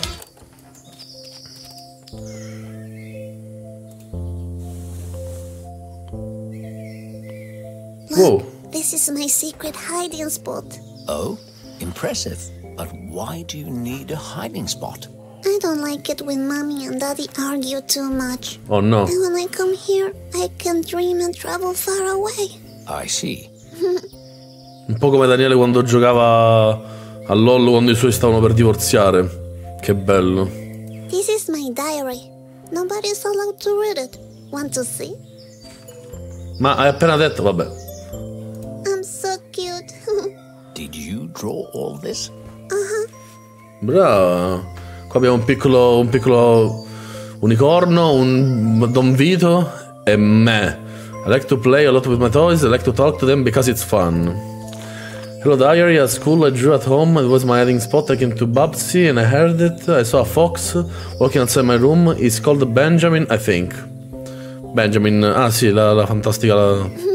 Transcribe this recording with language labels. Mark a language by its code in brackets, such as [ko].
[en] Look, this is my secret hiding spot. Oh, impressive. But why do you need a hiding spot? I don't like it when mommy and daddy argue too much. Oh no. And when I come here, I can dream and travel far away. I see. [it] Un po' come Daniele quando giocava a LOL quando i suoi stavano per divorziare. Che bello. [en] This is my diary. Nobody's allowed to read it. Want to see? [it] Ma hai appena detto, vabbè. [en] I'm so cute. Did you draw all this? [it] Bravo. Qua abbiamo un piccolo unicorno, un Don Vito e me. [en] I like to play a lot with my toys, I like to talk to them because it's fun. Hello diary, at school I drew at home, it was my hiding spot. I came to Babsy and I heard it. I saw a fox walking outside my room. He's called Benjamin, I think. [it] Benjamin, ah sì, la fantastica la...